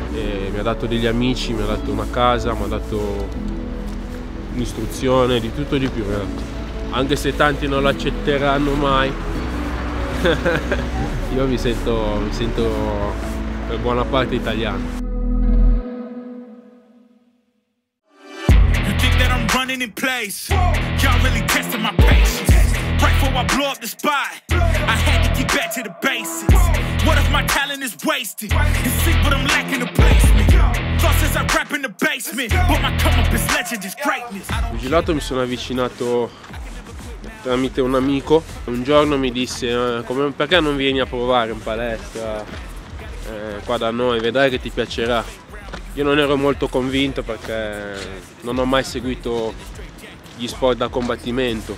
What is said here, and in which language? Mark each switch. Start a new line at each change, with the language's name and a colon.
Italian: E mi ha dato degli amici, mi ha dato una casa, mi ha dato istruzione, di tutto di più, anche se tanti non l'accetteranno mai. Io mi sento per buona parte italiano.
English: You think that I'm running in place? Y'all really testing my patience. Right before I blow up the spot, I had to keep back to the basics. What if my talent is wasted? It's sick, but I'm lacking a placement.
Italian: Il pugilato mi sono avvicinato tramite un amico. Un giorno mi disse: perché non vieni a provare in palestra qua da noi, vedrai che ti piacerà. Io non ero molto convinto perché non ho mai seguito gli sport da combattimento.